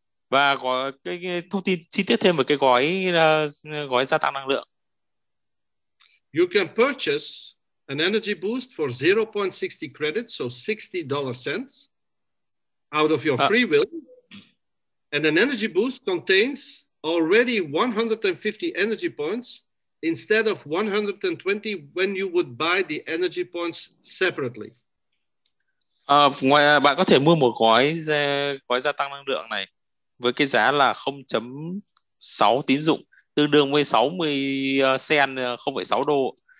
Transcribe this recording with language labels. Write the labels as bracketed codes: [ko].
[vi] Và có cái thông tin chi tiết thêm về cái gói gia tăng năng lượng. [en] You can purchase an energy boost for 0.60 credits, so $60 out of your free will. And an energy boost contains already 150 energy points instead of 120 when you would buy the energy points separately. [vi] Ngoài bạn có thể mua một gói gia tăng năng lượng này với cái giá là 0.6 tín dụng, tương đương với 60 sen, 0.6 đô.